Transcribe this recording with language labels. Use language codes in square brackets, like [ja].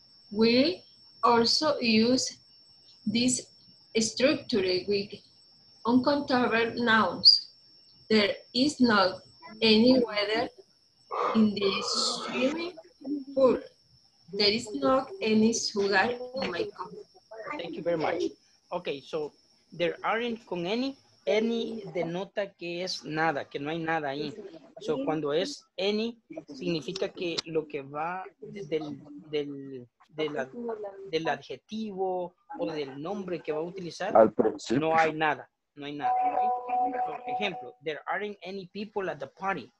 [en] We also use this structure with uncontrollable nouns. There is not any weather in the swimming pool. There is not any sugar in my cup. Thank you very much. Okay, so there aren't [es] con [en] any. [es] Any denota que es nada, que no hay nada ahí. So, cuando es any, significa que lo que va del adjetivo o del nombre que va a utilizar, al principio. No hay nada, no hay nada. Por ejemplo, [en] there aren't any people at the party.